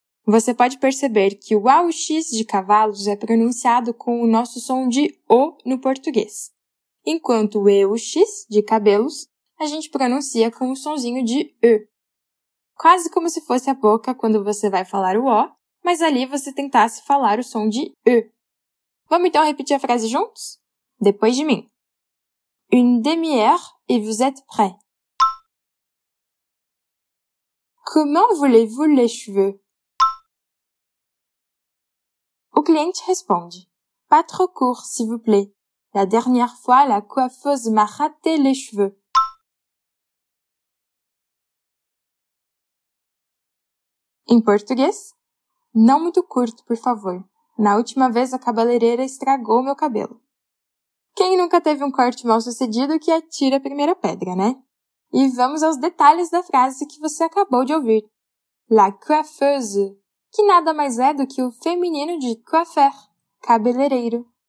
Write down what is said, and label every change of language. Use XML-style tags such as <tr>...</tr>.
<pt>Você pode perceber que o AUX de cavalos é pronunciado com o nosso som de O no português, enquanto o EUX de cabelos a gente pronuncia com o sonzinho de E. Quase como se fosse a boca quando você vai falar o O, mas ali você tentasse falar o som de E. Vamos então repetir a frase juntos? Depois de mim.</pt> <fr>Une demi-heure et vous êtes prêts. Comment voulez-vous les cheveux?</fr> <pt>O cliente responde.</pt> <fr>Pas trop court, s'il vous plaît. La dernière fois, la coiffeuse m'a raté les cheveux.</fr> <pt>Em português, não muito curto, por favor. Na última vez, a cabeleireira estragou meu cabelo. Quem nunca teve um corte mal sucedido que atira a primeira pedra, né? E vamos aos detalhes da frase que você acabou de ouvir. La coiffeuse, que nada mais é do que o feminino de coiffeur, cabeleireiro.</pt>